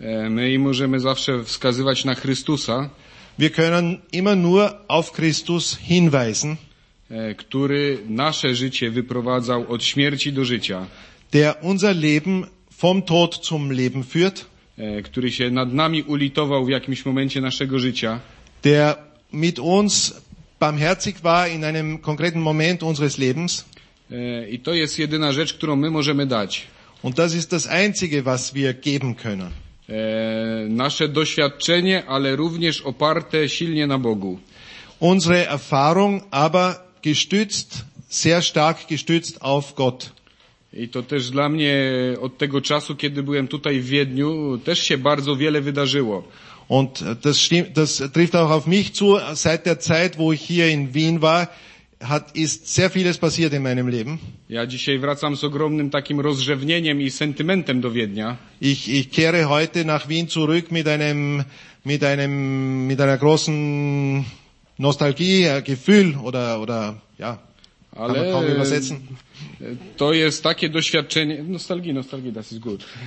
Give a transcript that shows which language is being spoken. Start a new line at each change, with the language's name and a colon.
Polish: My możemy zawsze wskazywać na Chrystusa.
German: Wir können immer nur auf Christus hinweisen,
Polish: który nasze życie wyprowadzał od śmierci do życia.
German: Der unser Leben vom Tod zum Leben führt,
Polish: który się nad nami ulitował w jakimś momencie naszego życia,
German: der mit uns barmherzig war in einem konkreten Moment unseres Lebens,
Polish: i to jest jedyna rzecz, którą my możemy dać.
German: Und das ist das einzige, was wir geben können.
Polish: Nasze doświadczenie, ale również oparte silnie na Bogu.
German: Unsere Erfahrung, aber gestützt, sehr stark gestützt auf Gott.
Polish: I to też dla mnie od tego czasu, kiedy byłem tutaj w Wiedniu, też się bardzo wiele wydarzyło.
German: Und das trifft auch auf mich zu, seit der Zeit, wo ich hier in Wien war, ist sehr vieles passiert in meinem Leben.
Polish: Ja dzisiaj wracam z ogromnym takim rozrzewnieniem i sentymentem do Wiednia.
German: Ich kehre heute nach Wien zurück mit einer großen Nostalgie, Gefühl oder ja.
Polish: Ale
German: kann man kaum übersetzen.
Polish: To jest takie doświadczenie, nostalgii,
German: das ist gut.